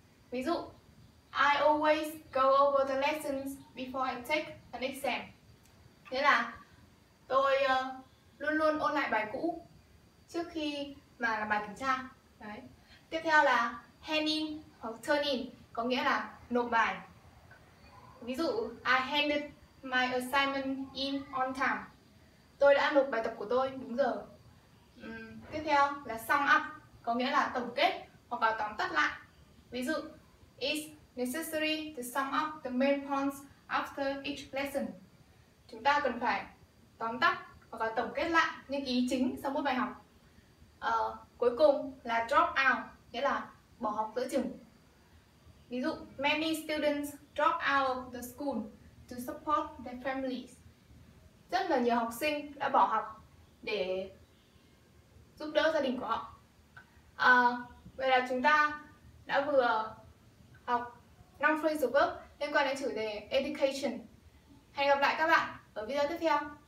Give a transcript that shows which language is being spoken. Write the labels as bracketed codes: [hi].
[vi] Ví dụ, [en] I always go over the lessons before I take an exam. [vi] Nghĩa là tôi luôn luôn ôn lại bài cũ trước khi mà làm bài kiểm tra. Đấy. Tiếp theo là hand in hoặc turn in, có nghĩa là nộp bài. Ví dụ, [en] I handed my assignment in on time. [vi] Tôi đã nộp bài tập của tôi đúng giờ. Tiếp theo là sum up, có nghĩa là tổng kết hoặc là tóm tắt lại. Ví dụ, [en] it's necessary to sum up the main points after each lesson. [vi] Chúng ta cần phải tóm tắt hoặc là tổng kết lại những ý chính sau mỗi bài học. Cuối cùng là drop out, nghĩa là bỏ học giữa chừng. Ví dụ, [en] many students drop out of the school to support their families. [vi] Rất là nhiều học sinh đã bỏ học để giúp đỡ gia đình của họ. Vậy là chúng ta đã vừa học 5 phrasal verb liên quan đến chủ đề education. Hẹn gặp lại các bạn ở video tiếp theo.